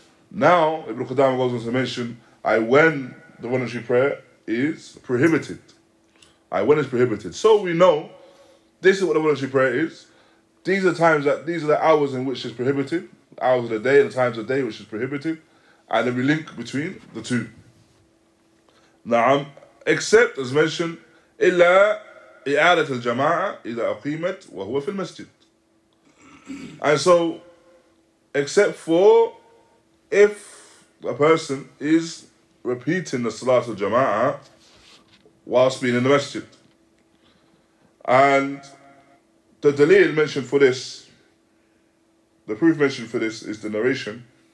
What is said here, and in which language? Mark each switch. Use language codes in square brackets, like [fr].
[en] Now, Ibn Qudama goes on to mention, when it's prohibited. So we know, this is what the voluntary prayer is. These are the hours in which it's prohibited, hours of the day and the times of the day which is prohibited, and then we link between the two. Na'am, except, as mentioned, illa [ar] إعادة الجماعة إذا أقيمت وهو في المسجد. [en] And so, except for if a person is repeating the Salat al-Jama'ah whilst being in the masjid. And the dalil mentioned for this, the proof mentioned for this is the narration.